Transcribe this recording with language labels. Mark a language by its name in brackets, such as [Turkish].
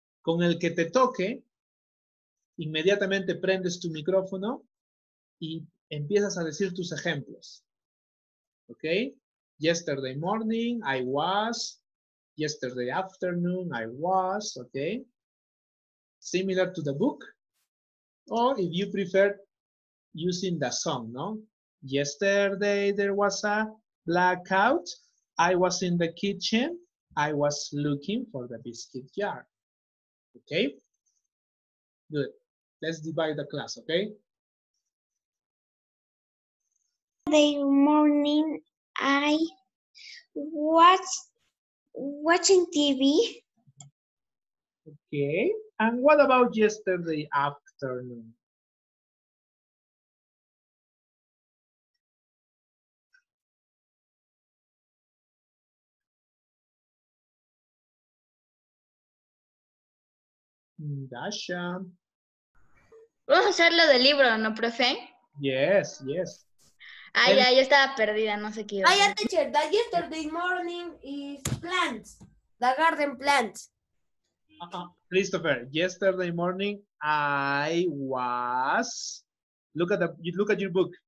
[Spanish] Con el que te toque, inmediatamente prendes tu micrófono y empiezas a decir tus ejemplos. [English] Okay? Yesterday morning, I was. Yesterday afternoon, I was. Okay? Similar to the book. Or if you prefer, using the song, no? Yesterday there was a blackout. I was in the kitchen. I was looking for the biscuit jar. Okay? Good. Let's divide the class, okay? The morning I watching TV. Okay, and what about yesterday afternoon? Dasha. [Spanish] Vamos a hacer lo del libro, ¿no, profe? [English] Yes, yes. [Spanish] Ay, ya, yo estaba perdida, no sé qué. [English] Ay, teacher, the yesterday morning is plants, the garden plants. Christopher, yesterday morning I was, look at your book.